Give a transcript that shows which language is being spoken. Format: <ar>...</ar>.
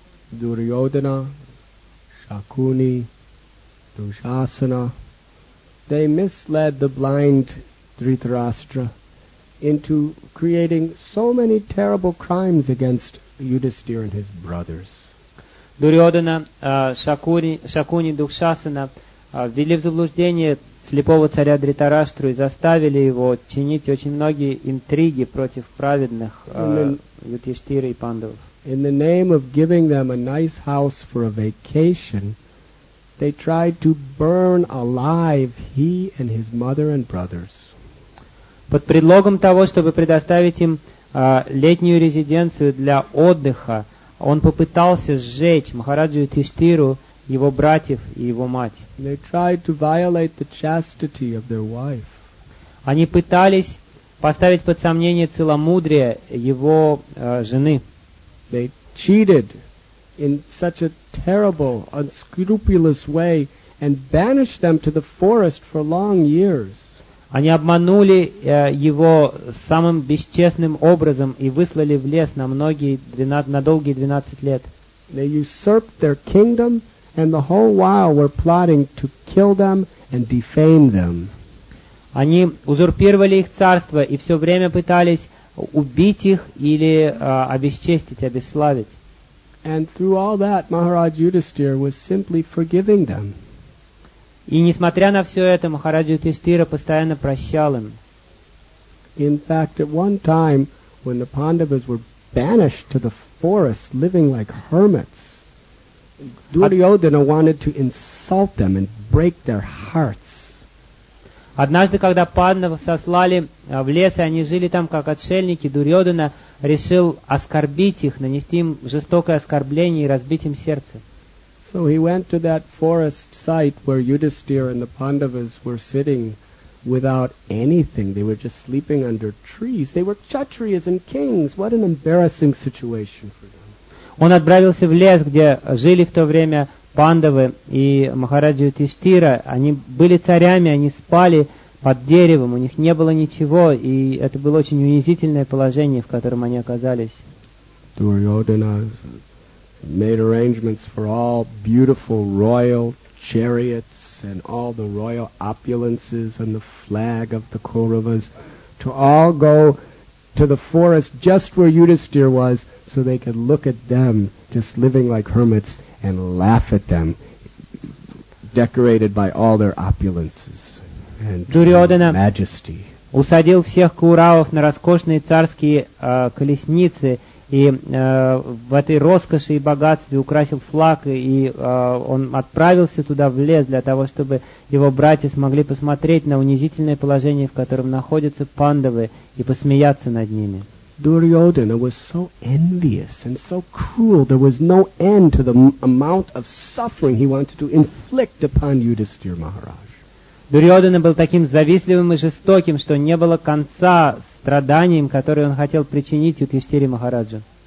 <en>Дурьодхана, Шакуни, Душасана, they misled the blind Дхритараштра into creating so many terrible crimes against Yudhisthira and his brothers.</en> <ru>Дурьодхана, Шакуни, Душасана ввели в заблуждение слепого царя Дхритараштру и заставили его чинить очень многие интриги против праведных Юдхиштхиры и Пандавов.</ru> <en>In the name of giving them a nice house for a vacation, they tried to burn alive he and his mother and brothers.</en> <ru>Под предлогом того, чтобы предоставить им летнюю резиденцию для отдыха, Он попытался сжечь Махараджу Юдхиштхиру, его братьев и его мать.</ru> <en>They tried to violate the chastity of their wife.</en> <ru>Они пытались поставить под сомнение целомудрие его жены.</ru> <en>They cheated in such a terrible, unscrupulous way and banished them to the forest for long years.</en> <ru>Они обманули его самым бесчестным образом и выслали в лес на многие на долгие 12 лет.</ru> <en>They usurped their kingdom and the whole while were plotting to kill them and defame them.</en> <ru>Они узурпировали их царство и все время пытались убить их или обесчестить, обесславить.</ru> <en>And through all that, Maharaj Yudhisthira was simply forgiving them.</en> <ru>И несмотря на все это, Махараджа Юдхиштхира постоянно прощал им.</ru> <en>In fact, at one time, when the Pandavas were banished to the forest, living like hermits, Duryodhana wanted to insult them and break their hearts.</en> <ru>Однажды, когда Пандавов сослали в лес, и они жили там как отшельники, Дурьодхана решил оскорбить их, нанести им жестокое оскорбление и разбить им сердце.</ru> <en>So he went to that forest site where Yudhisthira and the Pandavas were sitting without anything. They were just sleeping under trees. They were kshatriyas and kings. What an embarrassing situation for them.</en> <ru>Он отправился в лес, где жили в то время Пандавы и Махараджа Юдхиштхира. Они были царями, они спали под деревом. У них не было ничего, и это было очень унизительное положение, в котором они оказались.</ru> <en>Duryodhana made arrangements for all beautiful royal chariots and all the royal opulences and the flag of the Kauravas to all go to the forest just where Yudhisthira was so they could look at them just living like hermits and laugh at them decorated by all their opulences and majesty.</en> <ru>Усадил всех Кауравов на роскошные царские колесницы и в этой роскоши и богатстве украсил флаг, и он отправился туда в лес для того, чтобы его братья смогли посмотреть на унизительное положение, в котором находятся Пандавы, и посмеяться над ними.</ru> <en>Duryodhana was so envious and so cruel, there was no end to the amount of suffering he wanted to inflict upon Yudhisthira Maharaj.</en> <ru>Duryodhana был таким завистливым и жестоким, что не было конца страданиям, которые он хотел причинить Юдхиштхире Махараджу.</ru>